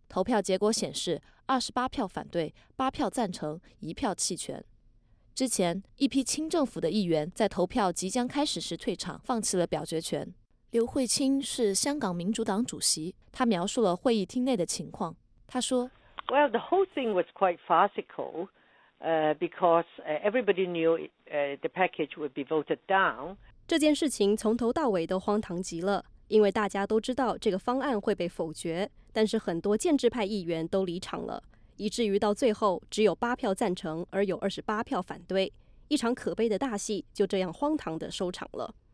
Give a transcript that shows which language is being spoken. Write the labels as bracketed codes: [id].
[zh] 投票结果显示，28票反对，8票赞成，1票弃权。之前，一批亲政府的议员在投票即将开始时退场，放弃了表决权。刘慧卿是香港民主党主席，他描述了会议厅内的情况。他说 [en] ：“Well, the whole thing was quite farcical, because everybody knew the package would be voted down。” [zh] 这件事情从头到尾都荒唐极了，因为大家都知道这个方案会被否决，但是很多建制派议员都离场了。以至于到最后只有8票赞成，而有28票反对，一场可悲的大戏就这样荒唐地收场了。